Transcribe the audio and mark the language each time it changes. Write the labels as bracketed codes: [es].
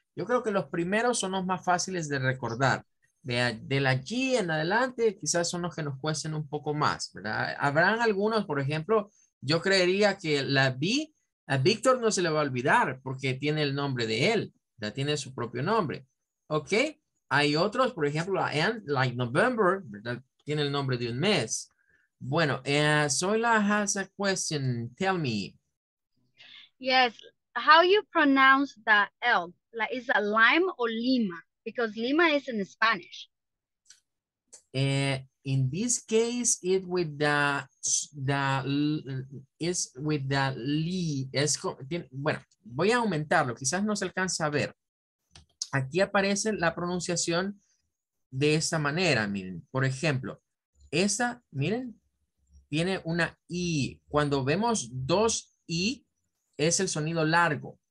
[es] Yo creo que los primeros son los más fáciles de recordar. De la G en adelante, quizás son los que nos cuesten un poco más, ¿verdad? Habrán algunos, por ejemplo, yo creería que la B, a Víctor no se le va a olvidar porque tiene el nombre de él, ya tiene su propio nombre, ¿ok? Hay otros, por ejemplo, [en] like November, [es] ¿verdad? Tiene el nombre de un mes. Bueno, [en] Zoila has a question. Tell me. Yes. How you pronounce the L? Like, is it Lime or Lima? Because Lima is in Spanish. In this case, it with the L. [es] Es con, tiene, bueno, voy a aumentarlo. Quizás no se alcanza a ver. Aquí aparece la pronunciación de esta manera, miren. Por ejemplo, esa, miren, tiene una I. Cuando vemos dos I, es el sonido largo.